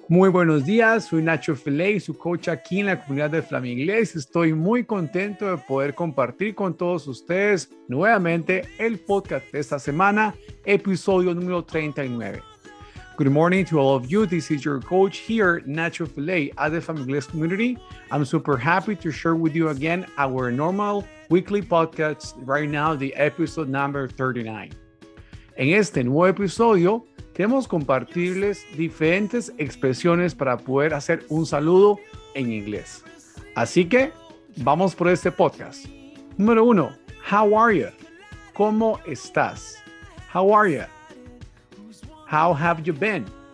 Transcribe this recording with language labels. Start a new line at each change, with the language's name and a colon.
Spanish: Muy buenos días, soy Nacho Filey, su coach aquí en la comunidad de Flamingles. Estoy muy contento de poder compartir con todos ustedes nuevamente el podcast de esta semana, episodio número 39.
English: Good morning to all of you. This is your coach here, Nacho Filey, at the Flamingles community. I'm super happy to share with you again our normal weekly podcast right now, the episode number 39.
Spanish: En este nuevo episodio, queremos compartirles diferentes expresiones para poder hacer un saludo en inglés. Así que, vamos por este podcast. Número uno,
English: how are you?
Spanish: ¿Cómo estás?
English: How are you? How have you been?